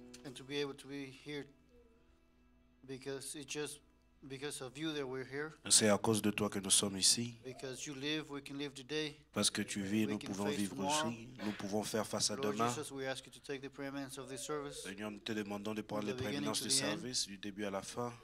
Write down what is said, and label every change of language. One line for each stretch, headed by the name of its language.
English: And to be able to be here because it just Because of you that we're here.
French: C'est à cause de toi que nous sommes ici.
English: Because you live, we can live today.
French: Parce que tu vis, nous pouvons vivre aussi. Nous pouvons faire face à demain.
English: Lord Jesus, we ask you to take the preeminence of this service.
French: Seigneur, nous te demandons de prendre les préminences du service, du début à la fin.